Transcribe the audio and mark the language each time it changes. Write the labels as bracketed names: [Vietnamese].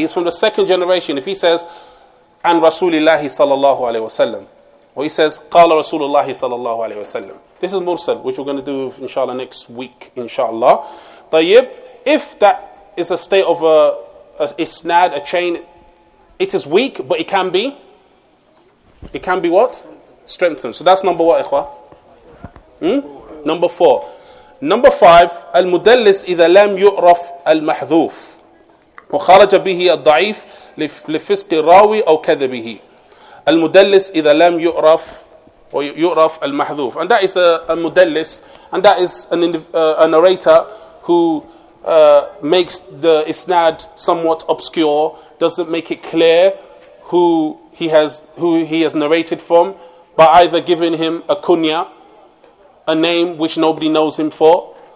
[English] He's from the second generation. If he says and Rasulullah sallallahu alayhi wasallam, or he says qala Rasulullah sallallahu alayhi wasallam, this is mursal, which we're going to do inshallah next week inshallah. Tayyib, if that is a state of a isnad, a chain, it is weak, but it can be what? Strengthened. So that's number what, ikhwa? Number four. Number five, [Arabic] al-mudallis idha lam yu'raf al-mahdhuf وخرج به الضعيف لفسق الراوي أو كذبه المدلس إذا لم يعرف ويعرف المحذوف. [English] And that is a mudallis, and that is a narrator who makes the isnad somewhat obscure, doesn't make it clear who he has narrated from, by either giving him a kunya, a name which nobody knows him for.